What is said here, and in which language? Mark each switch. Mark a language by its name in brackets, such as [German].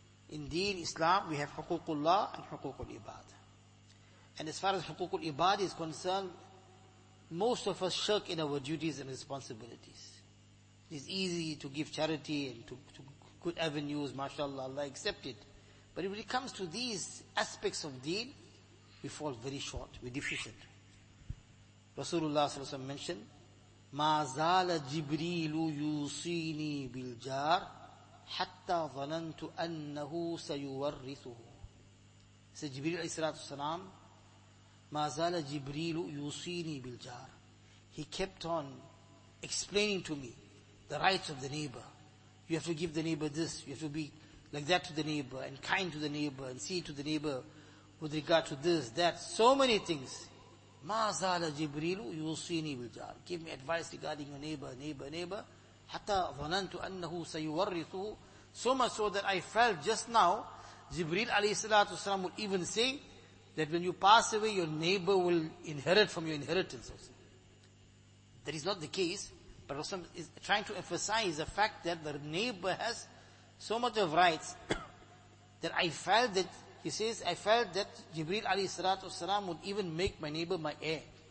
[English] Indeed, Islam, we have Hukukullah and Hukukul Ibad. And as far as Hukukul Ibad is concerned, most of us shirk in our duties and responsibilities. It is easy to give charity and to good avenues, mashallah, Allah accept it. But when it comes to these aspects of deen, we fall very short, we're deficient. Rasulullah ﷺ mentioned, [Arabic] مَا زَالَ جِبْرِيلُ يُوصِينِي بِالْجَارِ حَتَّى ظَنَنْتُ أَنَّهُ سَيُوَرِّثُهُ. [English] So Jibreel ﷺ, [Arabic] مَا زَالَ جِبْرِيلُ يُوصِينِي بِالْجَارِ. [English] He kept on explaining to me the rights of the neighbor. You have to give the neighbor this, you have to be like that to the neighbor, and kind to the neighbor, and see to the neighbor, with regard to this, that, so many things. [Arabic] مَا زَالَ جِبْرِيلُ يُوصِينِي بِالْجَارِ. [English] Give me advice regarding your neighbor. [Arabic] حَتَّى ظَنَنْتُ أَنَّهُ سَيُوَرِّثُهُ. [English] So much so that I felt just now, Jibreel alayhi salatu wasalam will even say that when you pass away, your neighbor will inherit from your inheritance also. That is not the case, but Rasul is trying to emphasize the fact that the neighbor has so much of rights that I felt that he says, I felt that Jibreel alayhi salatu wasalam would even make my neighbor my heir.